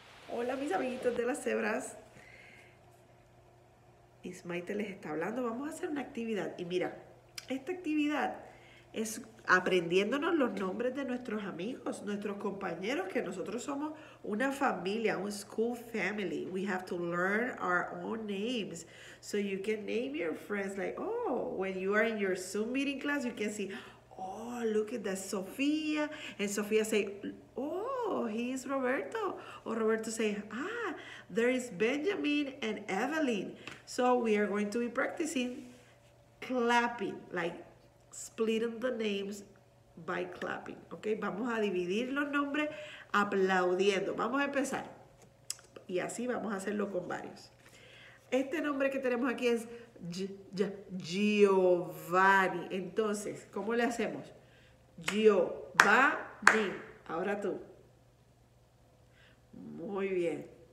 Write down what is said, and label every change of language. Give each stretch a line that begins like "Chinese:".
Spanish: Hola, mis amiguitos de las cebras. Ismaite les está hablando. Vamos a hacer una actividad. Y mira, esta actividad es aprendiéndonos los nombres de nuestros amigos, nuestros compañeros, que nosotros somos una familia, un
English: school family. We have to learn our own names. So you can name your friends like, oh, when you are in your Zoom meeting class, you can see, oh, look at that, Sofía. And Sofía say, oh, he is Roberto. Or Roberto say, ah, there is Benjamin and Evelyn. So we are going to be practicing clapping, like splitting the names by clapping.
Spanish: Okay, vamos a dividir los nombres aplaudiendo. Vamos a empezar. Y así vamos a hacerlo con varios. Este nombre que tenemos aquí es Giovanni. Entonces, ¿cómo le hacemos? Giovanni. Ahora tú. Muy bien.